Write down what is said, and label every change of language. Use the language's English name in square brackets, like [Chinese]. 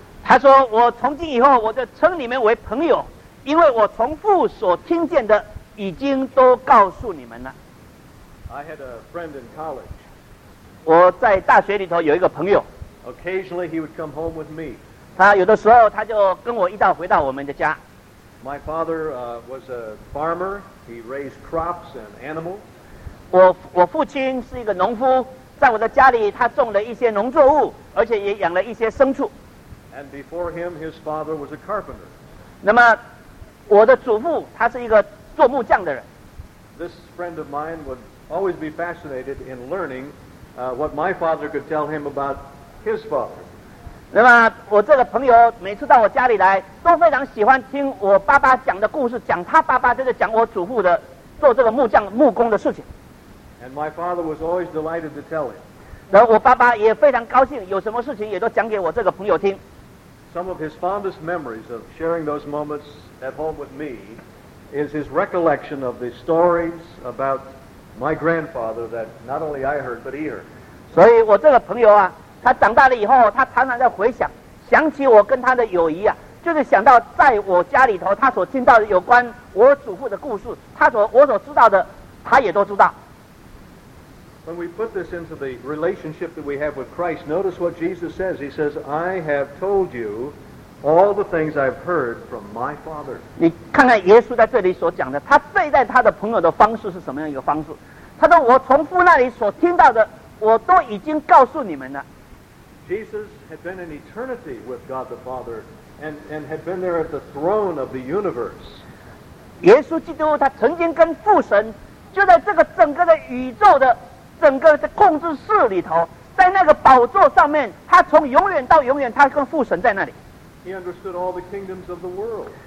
[Chinese] 他说我从今以后我就称你们为朋友因为我从父所听见的已经都告诉你们了。 [English] I had a friend in college. [Chinese] 我在大学里头有一个朋友 [English] Occasionally he would come home with me [Chinese] 他有的时候他就跟我一道回到我们的家 [English] My father was a farmer He raised crops and animals [Chinese] 我父亲是一个农夫在我的家里他种了一些农作物而且也养了一些牲畜 [English] And before him his father was a carpenter [Chinese] 那么我的祖父他是一个做木匠的人 [English] This friend of mine would always be fascinated in learningwhat my father could tell him about his father. [Chinese] 那么我这个朋友每次到我家里来都非常喜欢听我爸爸讲的故事讲他爸爸就是讲我祖父的做这个木匠木工的事情。 [English] And my father was always delighted to tell him. [Chinese] 然后我爸爸也非常高兴有什么事情也都讲给我这个朋友听。 [English] Some of his fondest memories of sharing those moments at home with me is his recollection of the stories aboutMy grandfather that not only I heard, but he heard. [Chinese] 所以我这个朋友啊他长大了以后他常常在回想想起我跟他的友谊啊就是想到在我家里头他所听到的有关我祖父的故事他所我所知道的他也都知道。 [English] When we put this into the relationship that we have with Christ, notice what Jesus says. He says, I have told you all the things I've heard from my father. [Chinese] 你看看耶稣在这里所讲的他对待他的朋友的方式是什么样一个方式他说我从父那里所听到的我都已经告诉你们了 [English] Jesus had been in eternity with God the Father and had been there at the throne of the universe. [Chinese] 耶稣基督他曾经跟父神就在这个整个的宇宙的整个的控制室里头在那个宝座上面他从永远到永远他跟父神在那里 [English] He understood all the kingdoms of the world.